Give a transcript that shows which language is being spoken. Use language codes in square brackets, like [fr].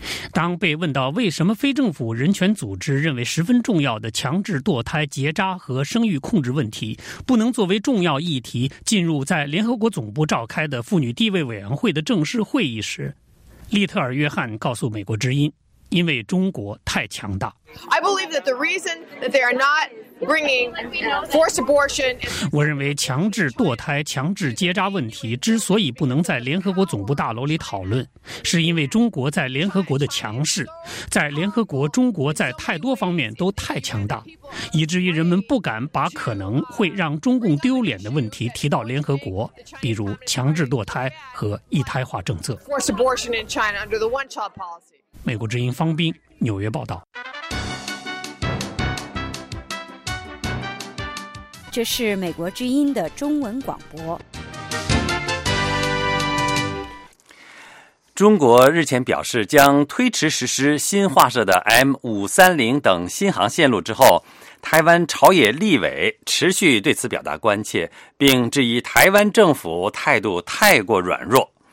[zh] 当被问到为什么非政府人权组织认为十分重要的强制堕胎、结扎和生育控制问题不能作为重要议题进入在联合国总部召开的妇女地位委员会的正式会议时，利特尔·约翰告诉美国之音，因为中国太强大。 [en] I believe that the reason that they are not bringing forced abortion. [zh] 我认为强制堕胎、强制结扎问题之所以不能在联合国总部大楼里讨论，是因为中国在联合国的强势，在联合国，中国在太多方面都太强大，以至于人们不敢把可能会让中共丢脸的问题提到联合国，比如强制堕胎和一胎化政策。 [en] Forced abortion in China under the one-child policy. [zh] 美国之音方斌，纽约报道。这是美国之音的中文广播。中国日前表示将推迟实施新划设的 M530 等新航线路之后，台湾朝野立委持续对此表达关切，并质疑台湾政府态度太过软弱。